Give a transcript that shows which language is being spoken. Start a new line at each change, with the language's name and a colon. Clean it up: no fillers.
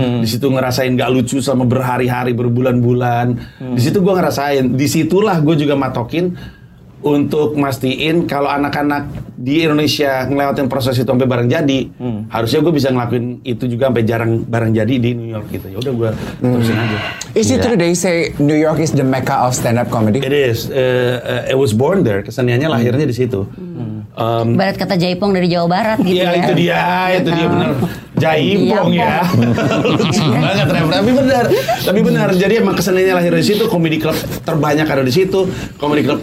Indonesian: Di situ ngerasain gak lucu selama berhari-hari, berbulan-bulan. Di situ gue ngerasain, disitulah gue juga matokin untuk mastiin kalau anak-anak di Indonesia ngelewatin proses itu sampai barang jadi, harusnya gue bisa ngelakuin itu juga sampai jarang barang jadi di New York gitu. Ya udah gue terusin aja.
English: Is it true they say New York is the mecca of stand up comedy? It is. It was born there.
Indonesian: Keseniannya lahirnya di situ. Barat kata Jaipong dari Jawa Barat gitu. Iya, ya. Itu dia, itu dia benar. Jaipong ya. Lucu banget, tapi benar. Tapi benar. Jadi emang keseniannya lahir di situ, comedy club terbanyak ada di situ, comedy club